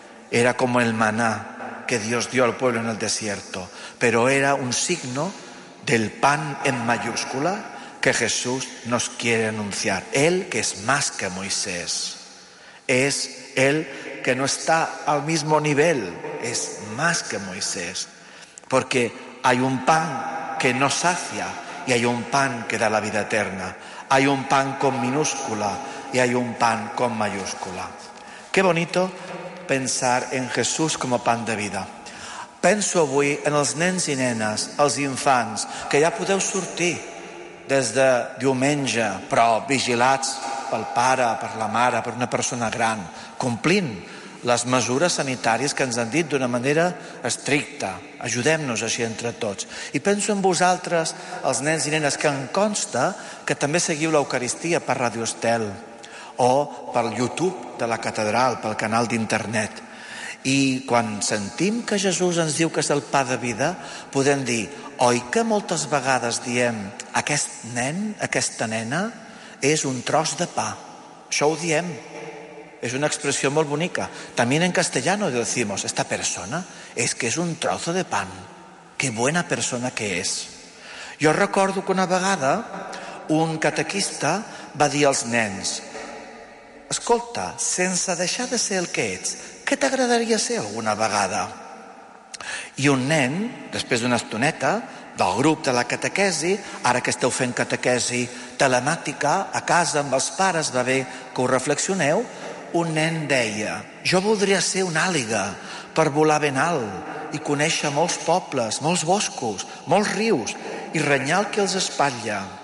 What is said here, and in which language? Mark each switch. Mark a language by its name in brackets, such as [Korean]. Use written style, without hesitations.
[Spanish] era como el maná que Dios dio al pueblo en el desierto, pero era un signo del pan en mayúscula que Jesús nos quiere anunciar, Él que es más que Moisés, es Él que no está al mismo nivel, es más que Moisés. Porque hay un pan que nos sacia y hay un pan que da la vida eterna. Hay un pan con minúscula y hay un pan con mayúscula. Qué bonito pensar en Jesús como pan de vida. [Catalan] Penso avui en els nens i nenes, els infants, que ja podeu sortir des de diumenge, però vigilats pel pare, per la mare, per una persona gran, complint les mesures sanitàries que ens han dit d'una manera estricta. Ajudem-nos així entre tots. I penso en vosaltres, els nens i nenes, que em consta que també seguiu l'Eucaristia per Radio Estel o per YouTube de la Catedral, pel canal d'internet. I quan sentim que Jesús ens diu que és el pa de vida, podem dir, oi que moltes vegades diem aquest nen, aquesta nena, és un tros de pa. Això ho diem. [Spanish] Es una expresión muy bonita. También en castellano decimos, esta persona es que es un trozo de pan. Qué buena persona que es. Yo recuerdo que [Catalan] una vegada un catequista va dir als nens, escolta, sense deixar de ser el que ets, què t'agradaria ser alguna vegada? I un nen, després d'una estoneta, del grup de la catequesi, ara que esteu fent catequesi telemàtica, a casa amb els pares, va bé que ho reflexioneu, un nen deia, jo voldria ser una àliga per volar ben alt i conèixer molts pobles, molts boscos, molts rius i renyar el que els espatlla.